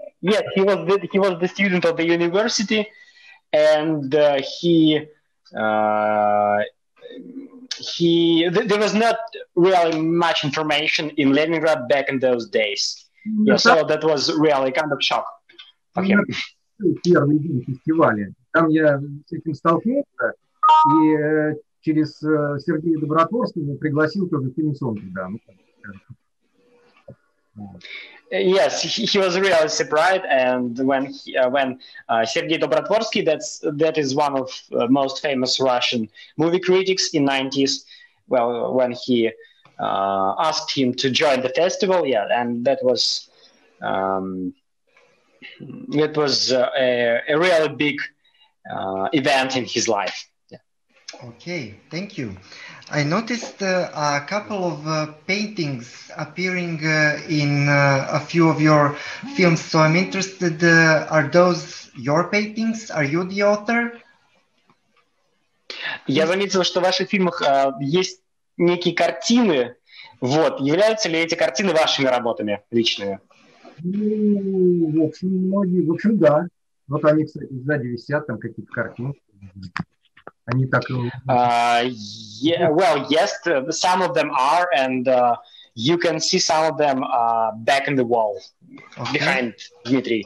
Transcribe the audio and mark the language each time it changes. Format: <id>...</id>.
<en>He was the student of the university, and there was not really much information in Leningrad back in those days. Yeah, so that was really kind of shock for him.</en> <ru>Первый день фестиваля. Там я с этим столкнулся, и через Сергея Добротворского пригласил тоже Тим Сон туда.</ru> <en>Yes, he was really surprised, and when Sergei Dobrotvorsky, that is one of most famous Russian movie critics in 90s, well, when he asked him to join the festival, yeah, and that was a really big event in his life. Okay, thank you. I noticed a couple of paintings appearing in a few of your films, so I'm interested, are those your paintings? Are you the author?</en> <ru>Я заметил, что в ваших фильмах есть некие картины. Вот, являются ли эти картины вашими работами личными? В общем, да. Вот они, кстати, сзади висят, там какие-то картины. Они так.</ru> <en>Some of them are, and you can see some of them back in the wall, behind Dmitry.</en>